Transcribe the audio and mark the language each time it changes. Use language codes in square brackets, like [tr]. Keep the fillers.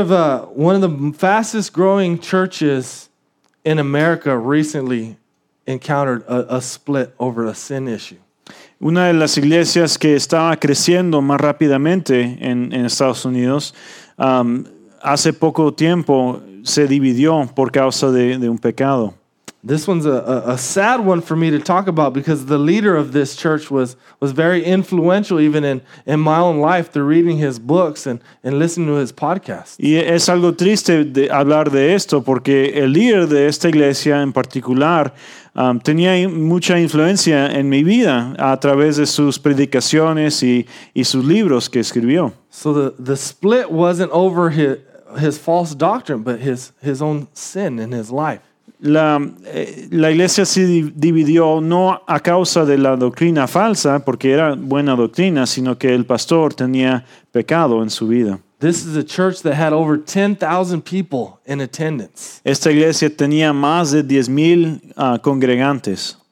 [es] de las iglesias que estaba creciendo más rápidamente en, en Estados Unidos um, hace poco tiempo se dividió por causa de, de un pecado. [en] This one's a, a, a, sad one for me to talk about because the leader of this church was, was very influential even in, in my own life through reading his books and, and listening to his podcast. [es] Y es algo triste de hablar de esto porque el líder de esta iglesia en particular um, tenía mucha influencia en mi vida a través de sus predicaciones y, y sus libros que escribió. [en] So the, the split wasn't over his, his false doctrine, but his, his own sin in his life. [es] La, la iglesia se dividió no a causa de la doctrina falsa, porque era buena doctrina, sino que el pastor tenía pecado en su vida. [en] This is a church that had over 10,000 people in attendance. [es] Esta iglesia tenía más de diez mil uh, congregantes.